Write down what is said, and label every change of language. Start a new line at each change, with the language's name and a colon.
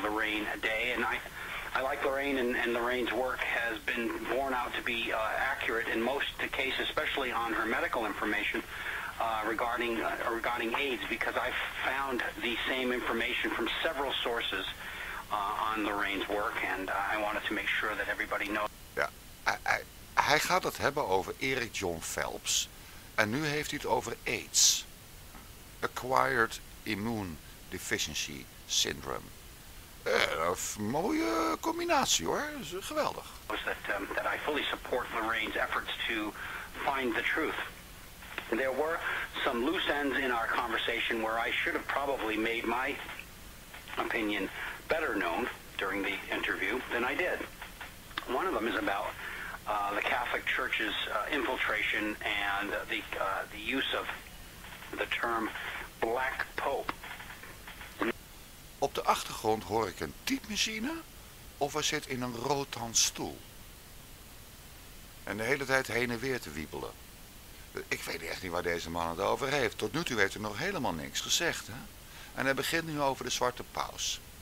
English: Lorraine Day, and I like Lorraine, and Lorraine's work has been borne out to be accurate in most cases, especially on her medical information regarding AIDS, because I've found the same information from several sources on Lorraine's work, and I wanted to make sure that everybody knows.
Dutch: Hij gaat het hebben over Eric John Phelps. En nu heeft hij het over AIDS.
English: Acquired Immune Deficiency Syndrome.
Dutch: Een mooie combinatie hoor. Dat is geweldig.
English: That I fully support Lorraine's efforts to find the truth. There were some loose ends in our conversation where I should have probably made my opinion better known during the interview than I did. One of them is about the Catholic Church's infiltration and the use of the term Black Pope.
Dutch: Op de achtergrond hoor ik een typemachine of hij zit in een rotan stoel. En de hele tijd heen en weer te wiebelen. Ik weet echt niet waar deze man het over heeft. Tot nu toe heeft hij nog helemaal niks gezegd. Hè? En hij begint nu over de Zwarte Paus.